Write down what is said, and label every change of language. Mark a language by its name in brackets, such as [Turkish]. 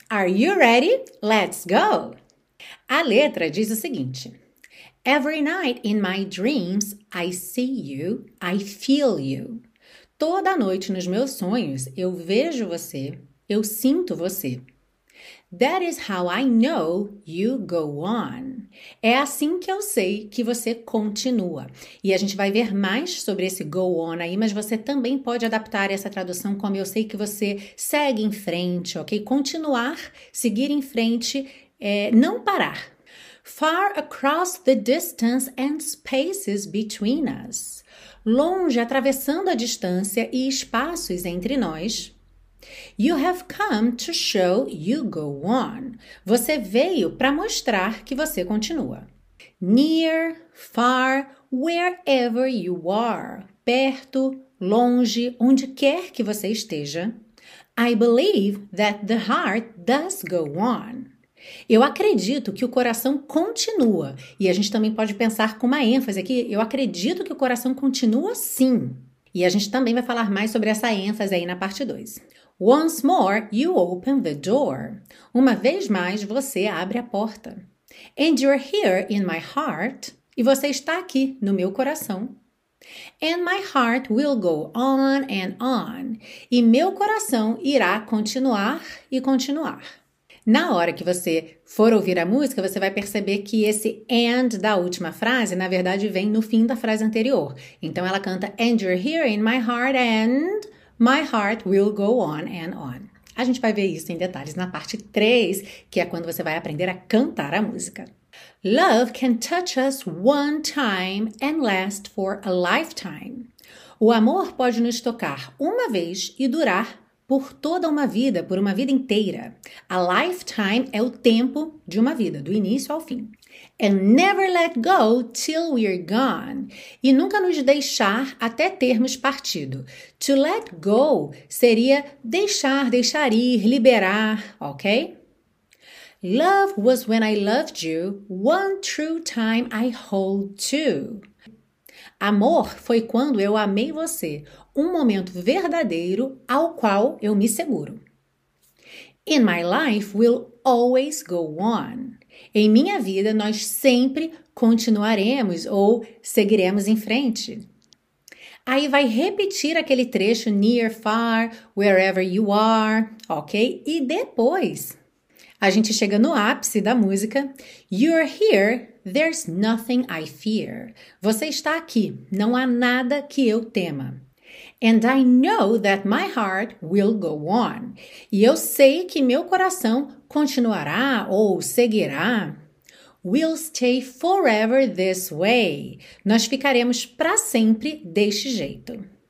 [English] Are you ready? Let's go! [Portuguese] A letra diz o seguinte: [English] Every night in my dreams, I see you, I feel you. [Portuguese] Toda noite nos meus sonhos, eu vejo você, eu sinto você. [English] That is how I know you go on. [Portuguese] É assim que eu sei que você continua. E a gente vai ver mais sobre esse [English] go on [Portuguese] aí, mas você também pode adaptar essa tradução como eu sei que você segue em frente, ok? Continuar, seguir em frente, não parar. [English] Far across the distance and spaces between us. [Portuguese] Longe, atravessando a distância e espaços entre nós. [English] You have come to show you go on. [Portuguese] Você veio para mostrar que você continua. [English] Near, far, wherever you are. [Portuguese] Perto, longe, onde quer que você esteja. [English] I believe that the heart does go on. [Portuguese] Eu acredito que o coração continua. E a gente também pode pensar com uma ênfase aqui. Eu acredito que o coração continua, sim. E a gente também vai falar mais sobre essa ênfase aí na parte 2. [English] Once more, you open the door. [Portuguese] Uma vez mais, você abre a porta. [English] And you're here in my heart. [Portuguese] E você está aqui no meu coração. [English] And my heart will go on and on. [Portuguese] E meu coração irá continuar e continuar. Na hora que você for ouvir a música, você vai perceber que esse and da última frase, na verdade, vem no fim da frase anterior. Então ela canta [English] And you're here in my heart and my heart will go on and on. [Portuguese] A gente vai ver isso em detalhes na parte 3, que é quando você vai aprender a cantar a música. [English] Love can touch us one time and last for a lifetime. [Portuguese] O amor pode nos tocar uma vez e durar por toda uma vida, por uma vida inteira. [English] A lifetime [Portuguese] é o tempo de uma vida, do início ao fim. [English] And never let go till we're gone. [Portuguese] E nunca nos deixar até termos partido. [English] To let go [Portuguese] seria deixar, deixar ir, liberar, ok? [English] Love was when I loved you, one true time I hold to. [Portuguese] Amor foi quando eu amei você, um momento verdadeiro ao qual eu me seguro. [English] In my life will always go on. [Portuguese] Em minha vida nós sempre continuaremos ou seguiremos em frente. Aí vai repetir aquele trecho [English] near, far, wherever you are, [Portuguese] ok? E depois a gente chega no ápice da música. [English] You're here, there's nothing I fear. [Portuguese] Você está aqui, não há nada que eu tema. [English] And I know that my heart will go on. [Portuguese] E eu sei que meu coração continuará ou seguirá. [English] We'll stay forever this way. [Portuguese] Nós ficaremos para sempre deste jeito.